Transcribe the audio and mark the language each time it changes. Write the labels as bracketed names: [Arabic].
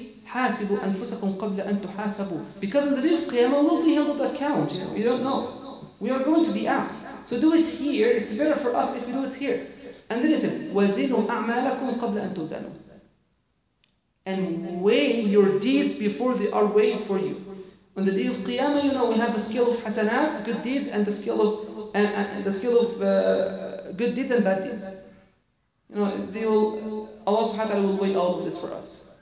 [Arabic] حاسبوا أنفسكم قبل أن تحاسبوا. [English] Because on the day of Qiyamah we'll be held to account. You know, we don't know. We are going to be asked. So do it here. It's better for us if we do it here. And then he said, [Arabic] وزنوا أعمالكم قبل أن تزنوا. [English] And weigh your deeds before they are weighed for you. On the day of Qiyamah, you know, we have the scale of hasanat, good deeds, and the scale of good deeds and bad deeds. You know, Allah Subhanahu wa Taala will weigh all of this for us.